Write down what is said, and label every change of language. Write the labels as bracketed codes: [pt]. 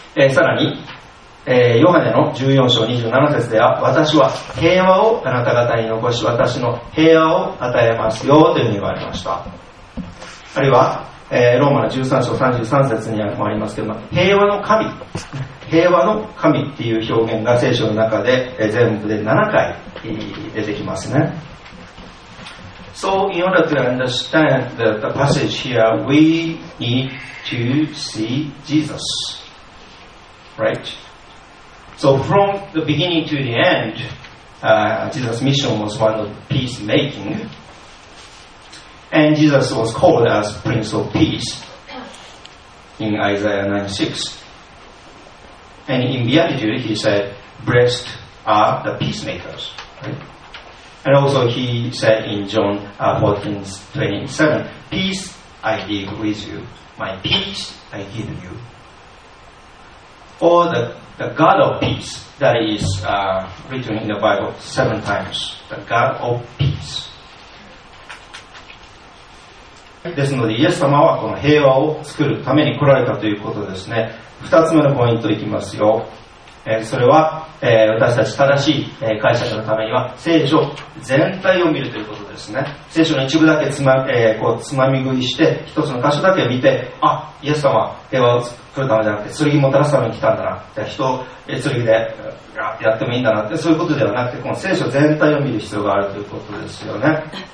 [ja] さらに、ヨハネの14章27節では私は平和をあなた方に残し私の平和を与えますよというふうに言われました。あるいは、ローマの13章33節にもありますけども、平和の神、平和の神っていう表現が聖書の中で全部で7回出てきますね。 [en] So in order to understand the passage here, we need to see Jesus, right? So from the beginning to the end, Jesus' mission was one of peacemaking. And Jesus was called as Prince of Peace in Isaiah 9:6. And in Beatitude, he said, blessed are the peacemakers. Right? And also he said in John 14:27, peace I leave with you, my peace I give you. Or the God of peace, that is written in the Bible 7 times, the God of peace. [ja] ですので、イエス様はこの平和を作るために来られたということですね。 2つ目のポイントいきますよ。それは、私たち正しい解釈のためには聖書全体を見るということですね。聖書の一部だけつまみ食いして一つの箇所だけ見て、あ、イエス様は平和を作るためじゃなくて剣もたらすために来たんだな、人を剣でやってもいいんだなって、そういうことではなくて、この聖書全体を見る必要があるということですよね。